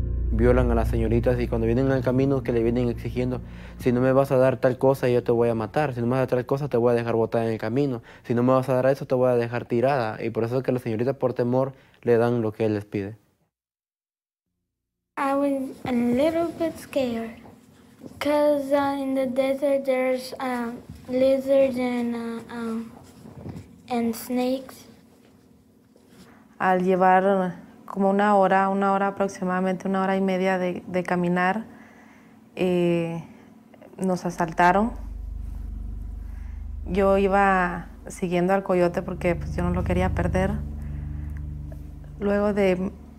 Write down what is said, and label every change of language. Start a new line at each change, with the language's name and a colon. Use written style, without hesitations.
Spanish: violan a las señoritas y cuando vienen al camino que le vienen exigiendo, si no me vas a dar tal cosa, yo te voy a matar, si no me vas a dar tal cosa, te voy a dejar botada en el camino, si no me vas a dar eso, te voy a dejar tirada. Y por eso es que las señoritas, por temor, le dan lo que él les pide.
English: I was a little bit scared because in the desert there's lizards and snakes.
Spanish: Al llevar como una hora aproximadamente, una hora y media de caminar, nos asaltaron. Yo iba siguiendo al coyote porque pues, yo no lo quería perder. Luego de...